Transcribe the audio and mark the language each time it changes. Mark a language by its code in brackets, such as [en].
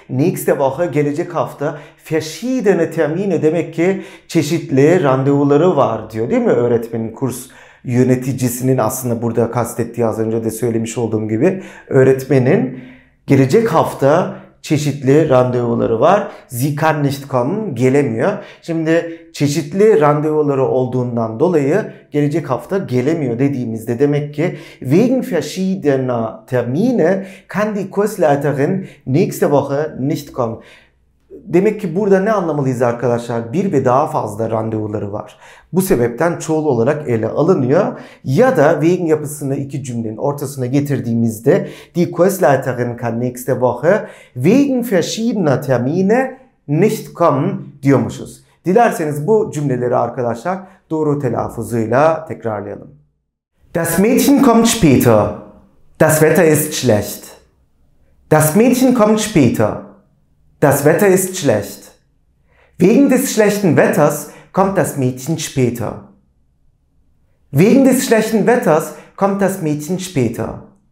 [de] Nächste Woche, [tr] gelecek hafta, [de] verschiedene Termine [tr] demek ki çeşitli randevuları var diyor değil mi öğretmenin, kurs yöneticisinin aslında burada kastettiği, az önce de söylemiş olduğum gibi öğretmenin gelecek hafta çeşitli randevuları var. [de] Sie kann nicht kommen, [tr] gelemiyor. Şimdi çeşitli randevuları olduğundan dolayı gelecek hafta gelemiyor dediğimizde demek ki [de] wegen verschiedener Termine kann die Kursleiterin nächste Woche nicht kommen. [tr] Demek ki burada ne anlamalıyız arkadaşlar? Bir ve daha fazla randevuları var. Bu sebepten çoğul olarak ele alınıyor. Ya da wegen yapısını iki cümlenin ortasına getirdiğimizde [de] die Kursleiterin kann nächste Woche wegen verschiedener Termine nicht kommen [tr] diyormuşuz. Dilerseniz bu cümleleri arkadaşlar doğru telaffuzuyla tekrarlayalım. [de] Das Mädchen kommt später. Das Wetter ist schlecht. Das Mädchen kommt später. Das Wetter ist schlecht. Wegen des schlechten Wetters kommt das Mädchen später. Wegen des schlechten Wetters kommt das Mädchen später.